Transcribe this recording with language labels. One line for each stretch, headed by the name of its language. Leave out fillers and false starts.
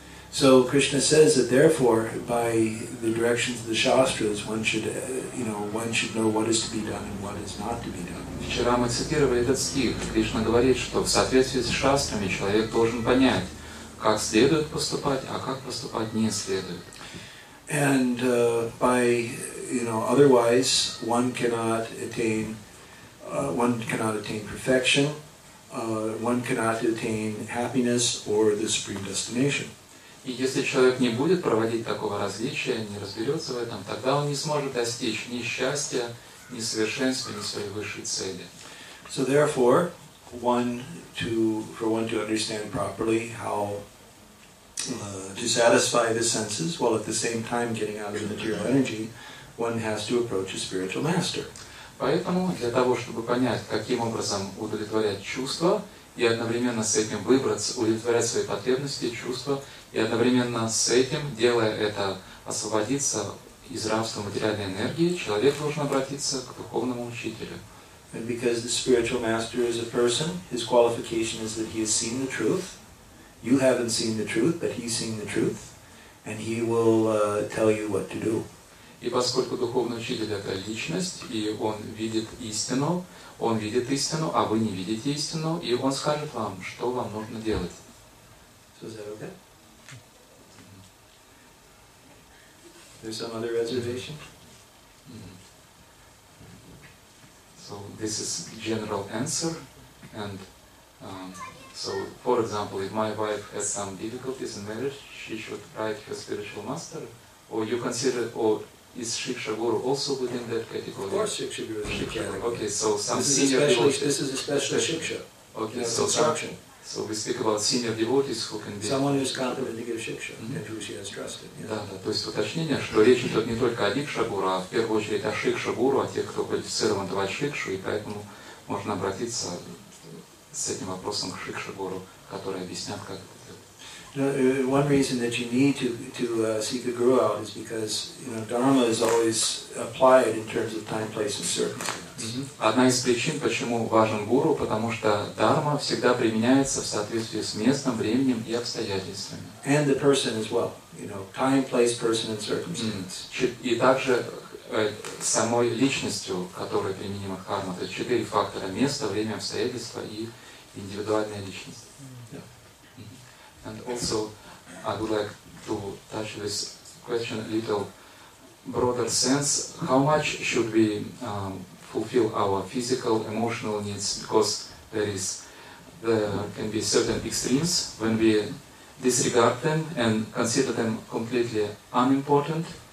English: So Krishna says that therefore, by the directions of the shastras, one should know what is to be done and what is not to be done.
Russian: Вчера мы цитировали этот стих. Кришна говорит, что в соответствии с шастрами человек должен понять, как следует поступать, а как поступать не следует.
English: And by otherwise, one cannot attain perfection. One cannot attain happiness or the supreme destination.
Russian: И если человек не будет проводить такого различия, не разберется в этом, тогда он не сможет достичь ни счастья, ни совершенства, ни своей высшей цели.
English: So therefore, for one to understand properly how to satisfy the senses, while at the same time getting out of the material energy, one has to approach a spiritual master.
Russian: Поэтому для того, чтобы понять, каким образом удовлетворять чувства и одновременно с этим выбраться, удовлетворять свои потребности и чувства, и одновременно с этим, делая это, освободиться из рабства материальной энергии, человек должен обратиться к духовному учителю.
English: And because the spiritual master is a person, his qualification is that he has seen the truth. You haven't seen the truth, but he's seen the truth, and he will tell you what to do.
Russian: И поскольку духовный учитель — это личность, и он видит истину, а вы не видите истину, и он скажет вам, что вам нужно делать.
English: So is that okay? There's some other reservation? So this is general answer, and so for example, if my wife has some difficulties in marriage, she should write her spiritual master, or you consider, or is Shiksha Guru also within that category? Of course, Shiksha Guru is Shiksha Guru. Okay, so some this senior devotees. This is especially Shiksha. Okay, so instruction. So we speak about senior devotees who can be. Someone who's competent to give Shiksha, mm-hmm. and who she has trusted.
Russian: Да, то есть уточнение, что речь идет не только о Дикша Гуру, а в первую очередь о Шикша Гуру, о тех, кто квалифицирован давать Шикшу, и поэтому можно обратиться с этим вопросом к Шикша Гуру, который объяснят, как.
English: One reason that you need to seek a guru out is because, you know, dharma is always applied in terms of time, place, and circumstance.
Russian: Одна из причин, почему важен гуру, потому что дхарма всегда применяется в соответствии с местом, временем и обстоятельствами.
English: And the person as well, you know, time, place, person, and circumstance.
Russian: И также самой личностью, которая применима к дхарме, то есть четыре фактора: место, время, обстоятельства и индивидуальная личность.
English: And also, I would like to touch this question a little broader sense. How much should we fulfill our physical, emotional needs? Because there can be certain extremes when we disregard them and consider them completely unimportant.